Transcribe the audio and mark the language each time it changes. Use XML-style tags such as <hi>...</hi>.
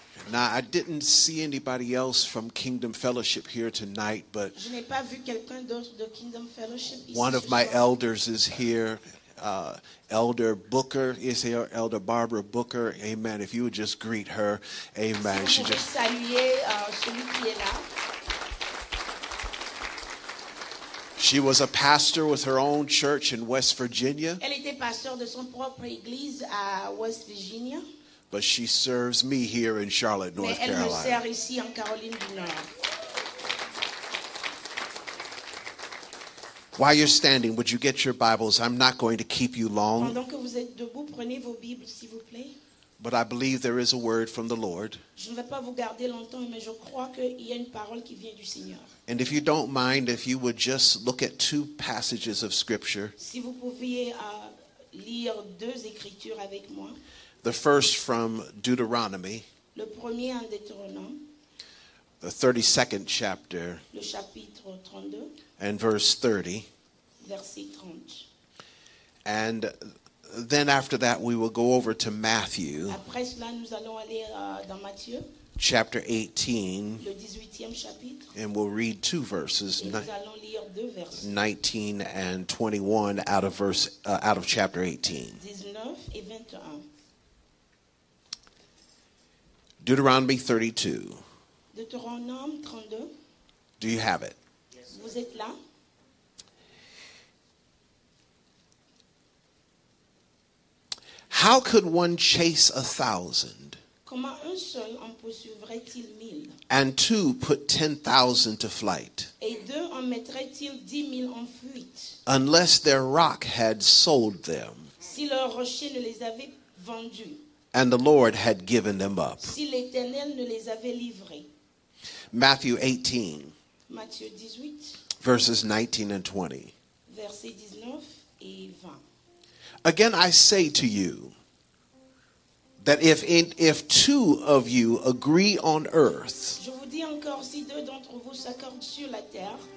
<en>Now, I didn't see anybody else from Kingdom Fellowship here tonight, but</en> <fr>je n'ai pas vu quelqu'un d'autre de Kingdom Fellowship ici.</fr> <en>One of my elders is here. Elder Booker is here. Elder Barbara Booker, amen. If you would just greet her, amen.</en> <fr>Si vous pouvez saluer, celui qui est là.</fr> <en>She was a pastor with her own church in West Virginia.</en> <fr>Elle était pasteur de son propre église à West Virginia.</fr> <en>But she serves me here in Charlotte, North</en> <fr>Mais elle</fr> <en>Carolina.</en> <fr>Me sert ici en Caroline du Nord.</fr> <en>While you're standing, would you get your Bibles? I'm not going to keep you long.</en> <fr>Pendant que vous êtes debout, prenez vos Bibles, s'il vous plaît.</fr> <en>But I believe there is a word from the Lord.</en> <fr>Je ne vais pas vous garder longtemps, mais je crois qu'il y a une parole qui vient du Seigneur.</fr> <en>And if you don't mind, if you would just look at two passages of Scripture.</en> <fr>Si vous pouviez lire deux écritures avec moi.</fr> <en>The first from Deuteronomy.</en> <fr>Le premier en Deutéronome.</fr> <en>The 32nd chapter.</en> <fr>Le chapitre 32.</fr> <en>And verse 30.</en> <fr>Verset 30.</fr> <en>And then after that we will go over to Matthew.</en> <fr>Après cela, nous allons aller dans Matthieu.</fr> <en>Chapter 18.</en> <fr>Le 18e chapitre.</fr> <en>And we'll read two verses.</en> <fr>Et nous allons lire deux versets.</fr> <en>19 and 21 out of chapter 18.</en> <fr>19 et 21.</fr> <en>Deuteronomy 32.</en> <fr>Deuteronome 32.</fr> <en>Do you have it? Yes.</en> <fr>Vous êtes là?</fr> <en>How could one chase 1,000?</en> <fr>Comment un seul en poursuivrait-il 1,000?</fr> <en>And two put 10,000 to flight.</en> <fr>Et deux en mettraient-ils 10,000 en fuite?</fr> <en>Unless their rock had sold them.</en> <fr>Si leur rocher ne les avait vendus.</fr> <en>And the Lord had given them up.</en> <fr>Si l'Éternel ne les avait livrés.</fr> <en>Matthew 18.</en> <fr>Matthieu 18.</fr> <en>Verses 19 and 20.</en> <fr>Verset 19 et 20.</fr> <en>Again, I say to you that if two of you agree on earth.</en> <fr>Je vous dis encore si deux d'entre vous s'accordent sur la terre.</fr>